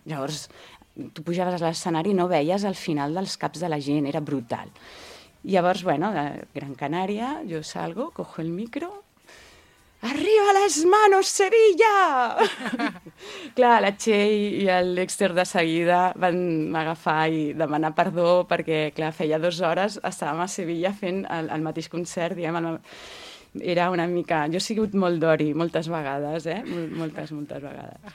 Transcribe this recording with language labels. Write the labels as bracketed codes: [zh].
[ca] Llavors, tu pujaves a l'escenari i no veies el final dels caps de la gent, era brutal. Llavors, bueno, de Gran Canària, jo [es] salgo, cojo el micro... ¡Arriba las manos, Sevilla! [ca] Clar, la Txell i el Dexter de seguida van agafar i demanar perdó perquè, clar, feia dues hores estàvem a Sevilla fent el mateix concert, diguem, era una mica... Jo he sigut molt d'ori moltes vegades, eh? Moltes vegades.